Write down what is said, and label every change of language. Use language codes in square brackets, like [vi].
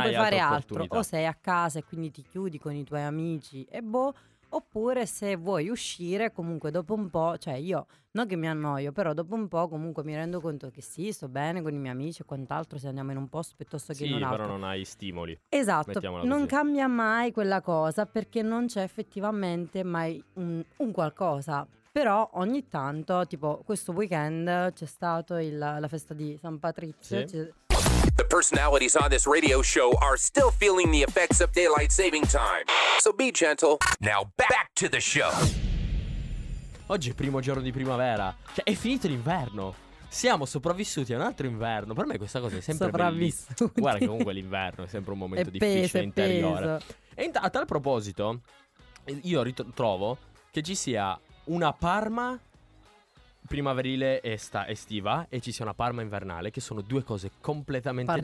[it] puoi fare altro, o sei a casa e quindi ti chiudi con i tuoi amici e boh, oppure se vuoi uscire comunque dopo un po', cioè io non che mi annoio, però dopo un po' comunque mi rendo conto che sì, sto bene con i miei amici e quant'altro, se andiamo in un posto piuttosto che sì, in un altro. Sì, però non hai stimoli. Esatto, non cambia mai quella cosa, perché non c'è effettivamente mai un qualcosa. Però ogni tanto, tipo questo weekend c'è stato la festa di San Patrizio. Sì. [en] The personalities on this radio show are still feeling the effects of daylight saving time. So be gentle. Now back to the show. [it] Oggi è primo giorno di primavera. Cioè è finito l'inverno. Siamo sopravvissuti a un altro inverno. Per me questa cosa è sempre sopravvissuti. Bellissima. Guarda, comunque l'inverno è sempre un momento è difficile, peso, interiore. E a tal proposito, io trovo che ci sia una Parma primaverile estiva e ci sia una Parma invernale, che sono due cose completamente